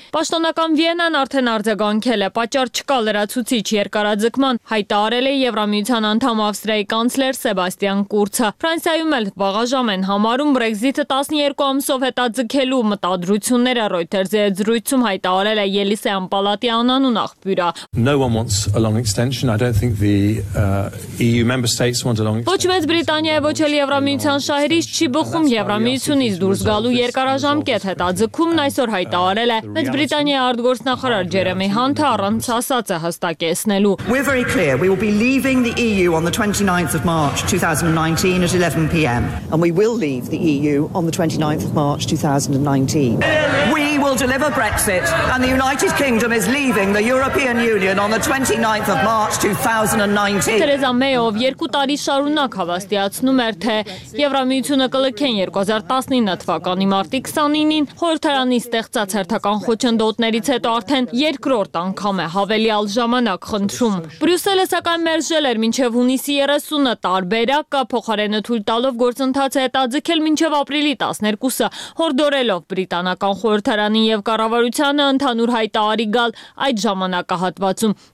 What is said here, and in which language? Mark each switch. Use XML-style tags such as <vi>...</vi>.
<hy>Պաշտոնական Վիենան արդեն արձագանքել է, պատճառ չկա լրացուցիչ երկարաձգման, հայտարել է Եվրամիության անդամ Ավստրիայի կանցլեր Սեբաստիան Կուրցը։ Ֆրանսիայում էլ վաղաժամ են համարում Բրեքզիթը 12 ամսով հետաձգելու մտադրությունները, Ռոյթերսի հետ զրույցում հայտարել է Ելիսեան Պալատի անանուն աղբյուրը։ Ոչ Մեծ Բրիտանիայի, ոչ էլ Եվրամիության շահերից չի բխում Եվրամիությունից դուրս գալու երկարաժամկետ հետաձգ ձգումն այսօր հայտարարել է Մեծ Բրիտանիայի արտգործնախարար Ջերեմի Հանթը, առանց ասացը հստակեցնելու.</hy> <en>We're very clear. We will be leaving the EU on the 29th of March 2019 at 11 p.m. and we will leave the EU on the 29th of March 2019. We will deliver Brexit and the United Kingdom is leaving the European Union on the 29th of March 2019.</en> <hy>Թերեզա Մեյով 2 տարի շարունակ հավաստիացնում էր, թե Եվրամիությունը կլքեն 2019 թվականի մարտի 29-ին խորհրդարանի ստեղծած հերթական խոչընդոտներից հետո արդեն երկրորդ անգամ է հավելյալ ժամանակ խնդրում։ Բրյուսելը սակայն մերժել էր մինչև հունիսի 30-ը տարբերակ, կա փոխարենը թույլ տալով գործընթացը հետաձգել մինչև ապրիլի 12-ը, հորդորելով բրիտանական խորհրդարանի և կառավարությանը ընդհանուր հայտարարի գալ այդ ժամանակահատվածում։</hy>